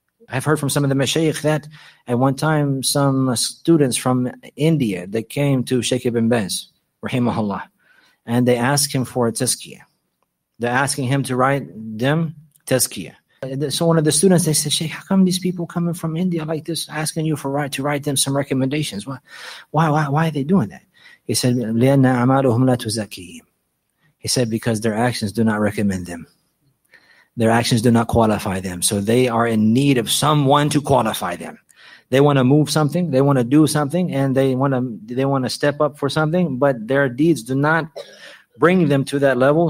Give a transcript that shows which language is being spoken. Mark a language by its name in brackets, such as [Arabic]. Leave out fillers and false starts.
[English] I've heard from some of the mashayikh that at one time some students from India, they came to Shaykh Ibn Baz, rahimahullah, and they asked him for a tazkiyah. They're asking him to write them tazkiyah. So one of the students, they said, Shaykh, how come these people coming from India like this asking you to write them some recommendations? Why are they doing that? He said, [Arabic] لِأَنَّ أَعْمَالُهُمْ لَا تُزَكِّيهِمْ. [English] He said, because their actions do not recommend them. Their actions do not qualify them. So they are in need of someone to qualify them. They want to move something, they want to do something, and they want to step up for something, but their deeds do not bring them to that level.